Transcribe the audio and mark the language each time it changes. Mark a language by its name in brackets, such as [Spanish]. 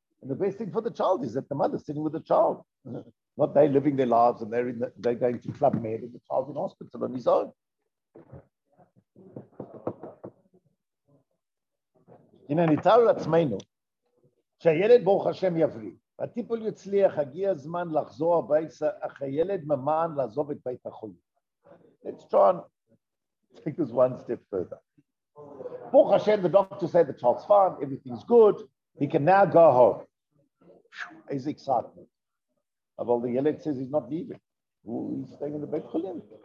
[English] And the best thing for the child is that the mother's sitting with the child. Not they living their lives and they're going to Club Med and the child's in hospital on his own. [Hebrew] הנה, נתאר לעצמנו שהילד ברוך השם יבריא. הטיפול יצליח, הגיע הזמן לחזור הביתה, אך הילד ממן לעזוב את בית החולים. [English] Let's try and take this one step further. [Hebrew] ברוך השם, [English] the doctor said the child's fine, everything's good, he can now go home. [Hebrew] איזה [English] excitement. [Hebrew] אבל [English] the [Hebrew] ילד [English] says he's not leaving. He's staying in the [Hebrew] בית חולים.